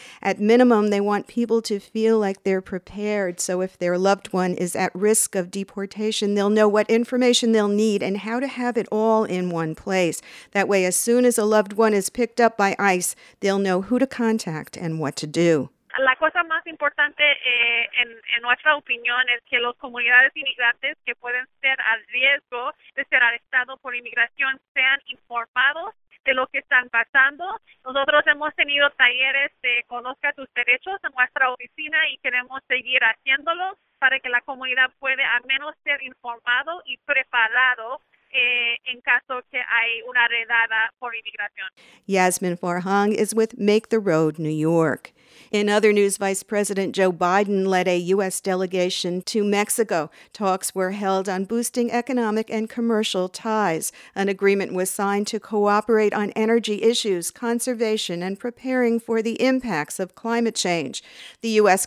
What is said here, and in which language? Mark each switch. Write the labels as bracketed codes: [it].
[en] At minimum, they want people to feel like they're prepared, so if their loved one is at risk of deportation, they'll know what information they'll need and how to have it all in one place. That way, as soon as a loved one is picked up by ICE, they'll know who to contact and what to do. [es] La cosa más importante en nuestra opinión es que las comunidades inmigrantes que pueden ser a riesgo de ser arrestados por inmigración sean informados de lo que están pasando. Nosotros hemos tenido talleres de Conozca tus derechos en nuestra oficina y queremos seguir haciéndolo para que la comunidad pueda al menos ser informado y preparado en caso que hay una redada por inmigración. [en] Yasmin Farhang is with Make the Road New York. In other news, Vice President Joe Biden led a U.S. delegation to Mexico. Talks were held on boosting economic and commercial ties. An agreement was signed to cooperate on energy issues, conservation, and preparing for the impacts of climate change. The U.S.